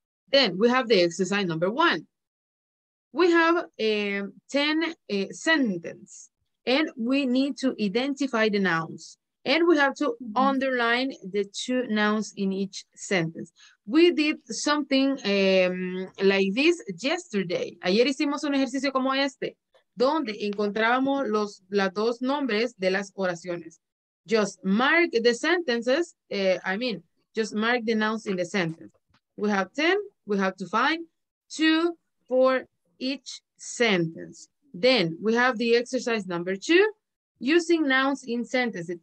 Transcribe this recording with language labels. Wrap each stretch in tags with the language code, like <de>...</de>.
<en>Then we have the exercise number one. We have 10 sentences, and we need to identify the nouns. And we have to underline the two nouns in each sentence. We did something like this yesterday.</en> <es>Ayer hicimos un ejercicio como este, donde encontrábamos las dos nombres de las oraciones.</es> <en>Just mark the sentences, just mark the nouns in the sentence. We have 10, we have to find two for each sentence. Then we have the exercise number two, using nouns in sentences.</en>